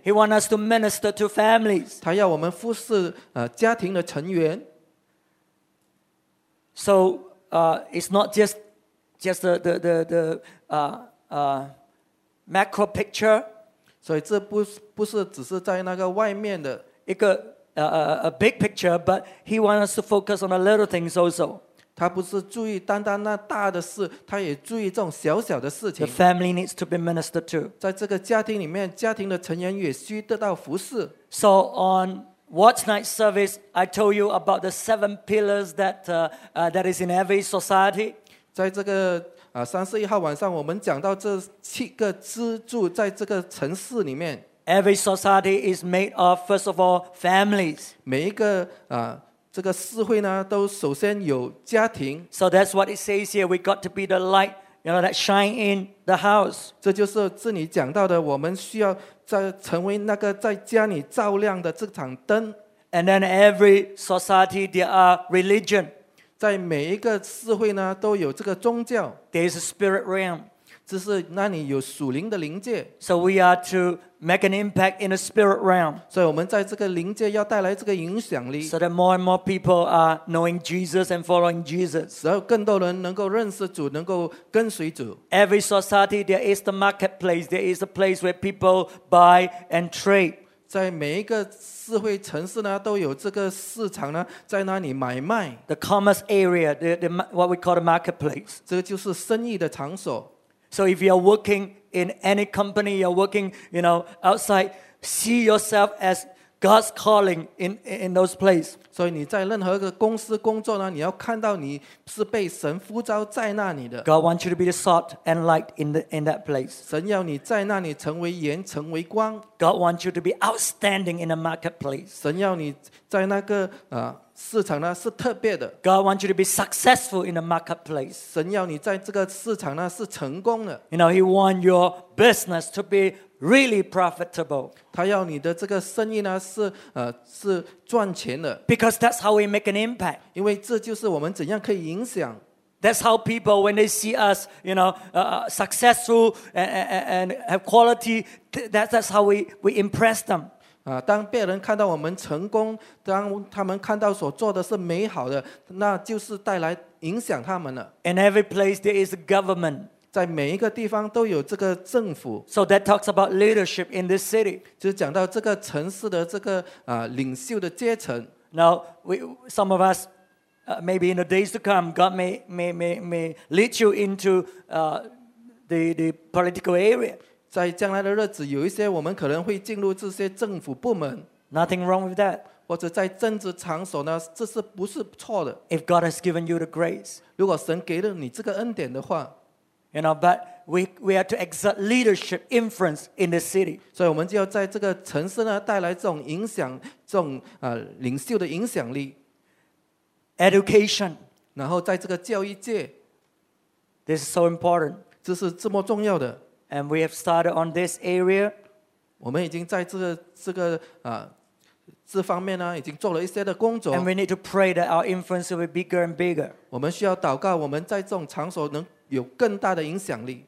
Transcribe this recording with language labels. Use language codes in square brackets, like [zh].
[en] He wants us to minister to families. [zh] 他要我们服侍家庭的成员。 [en] So, it's not just the macro picture. [zh] 所以这不是只是在那个外面的一个 [en] a big picture, but He wants us to focus on the little things also. [zh] 他不是注意单单那大的事，他也注意这种小小的事情。 [en] The family needs to be ministered to. [zh] 在这个家庭里面，家庭的成员也需得到服侍。 [en] So on. What's night service? I told you about the seven pillars that is in every society. [zh] 在这个31号晚上，我们讲到这七个支柱在这个城市里面。 [en] Every society is made of, first of all, families. [zh] 每一个这个社会呢，都首先有家庭。 [en] So that's what it says here. We got to be the light, you know, that shine in the house. [zh] 这就是这里讲到的，我们需要。在成为那个在家里照亮的这盏灯 [en] ，and then every society there are religion， [zh] 在每一个社会呢都有这个宗教 [en] ，there is a spirit realm， [zh] 这是那里有属灵的灵界 [en] ，so we are to make an impact in the spirit realm， [zh] 所以我们在这个灵界要带来这个影响力 [en] ，so that more and more people are knowing Jesus and following Jesus， [zh] 使更多人能够认识主，能够跟随主。 [en] Every society there is the marketplace， there is a place where people buy and trade， [zh] 在每一个社会城市呢都有这个市场呢，在那里买卖。 [en] The commerce area， the what we call the marketplace， [zh] 这个就是生意的场所。 [en] So if you are working in any company, you're working, you know, outside, see yourself as God's calling in those places. [zh] 所以你在任何一个公司工作呢，你要看到你是被神呼召在那里的。 [en] God wants you to be the salt and light in that place. [zh] 神要你在那里成为盐，成为光。 [en] God wants you to be outstanding in the marketplace. [zh] 神要你在那个市场呢是特别的。 [en] God wants you to be successful in the marketplace. [zh] 神要你在这个市场呢是成功的。 [en] You know, He wants your business to be really profitable. [zh] 他要你的这个生意呢是赚钱的。 [en] Because that's how we make an impact. [zh] 因为这就是我们怎样可以影响。 [en] That's how people, when they see us, you know, successful and have quality, that's how we impress them. [zh] 当别人看到我们成功，当他们看到所做的是美好的，那就是带来影响他们了。 [en] In every place there is a government. [zh] 在每一个地方都有这个政府。 [en] So that talks about leadership in this city. [zh] 就是讲到这个城市的这个领袖的阶层。 [en] Now, some of us, maybe in the days to come, God may lead you into the political area. [zh] 在将来的日子，有一些我们可能会进入这些政府部门。 [en] Nothing wrong with that. [zh] 或者在政治场所呢，这是不是错的 [en] ？If God has given you the grace, [zh] 如果神给了你这个恩典的话 [en] ，you know, but we are to exert leadership influence in the city. [zh] 所以我们就要在这个城市呢，带来这种影响，这种领袖的影响力。 [en] Education. [zh] 然后在这个教育界 [en] ，this is so important. [zh] 这是这么重要的。 [en] And we have started on this area. [zh] 我们已经在这个这方面呢，已经做了一些的工作。 [en] And we need to pray that our influence will be bigger and bigger. [zh] 我们需要祷告，我们在这种场所能有更大的影响力。